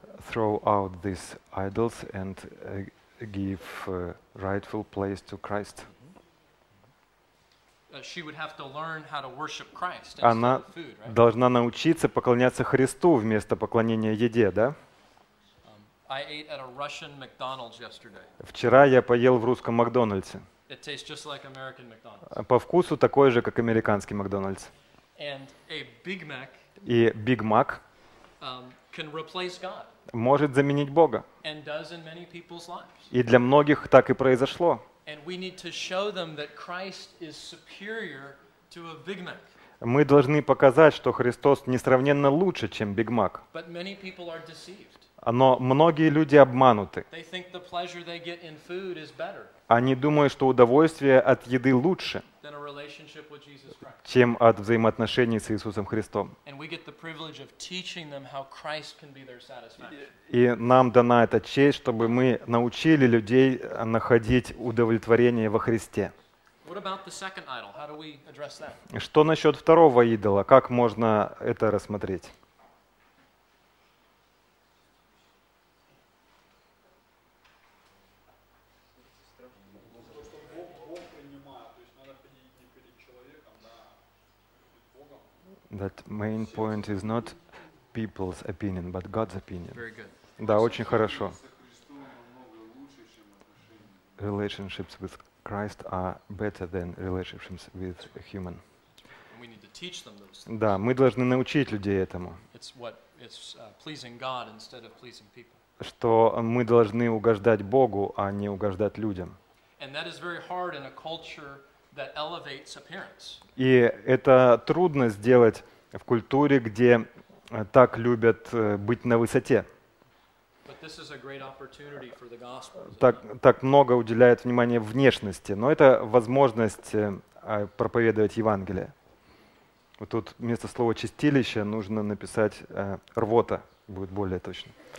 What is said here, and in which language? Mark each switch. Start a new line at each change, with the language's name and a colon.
English: Throw out these idols and give rightful place to Christ. She would have to learn how to worship Christ instead of food, right?
Russian: Она должна научиться поклоняться Христу вместо поклонения еде, да?
English: I ate at a Russian McDonald's yesterday.
Russian: Вчера я поел в русском Макдональдсе.
English: It tastes just like American McDonald's.
Russian: По вкусу такой же, как американский Макдональдс.
English: And a Big Mac.
Russian: И Big Mac.
English: Can replace God.
Russian: Может заменить Бога.
English: And does in many people's lives.
Russian: И для многих так и произошло.
English: And we need to show them that Christ is superior to a Big Mac.
Russian: Мы должны показать, что Христос несравненно лучше, чем Big Mac.
English: But many people are deceived.
Russian: Но многие люди обмануты.
English: They think the pleasure they get in food is better.
Russian: Они думают, что удовольствие от еды лучше,
English: than a relationship with Jesus Christ.
Russian: Чем от взаимоотношений с Иисусом Христом.
English: And we get the privilege of teaching them how Christ can be their satisfaction.
Russian: И нам дана эта честь, чтобы мы научили людей находить удовлетворение во Христе.
English: What about the second idol? How do we address that?
Russian: Что насчет второго идола? Как можно это рассмотреть?
English: That main point is not people's opinion, but God's opinion. Very good.
Russian: Да, очень хорошо.
English: Relationships with Christ are better than relationships with a human. And we need to teach them those things.
Russian: Да, мы должны научить людей этому.
English: It's pleasing God instead of pleasing people.
Russian: Что мы должны угождать Богу, а не угождать людям.
English: And that is very hard in a culture that elevates appearance.
Russian: И это трудно сделать в культуре, где так любят быть на высоте.
English: But this is a great opportunity for the gospel.
Russian: Так много уделяют внимания внешности, но это возможность проповедовать Евангелие. Вот тут вместо слова «чистилище» нужно написать «рвота», будет более точно.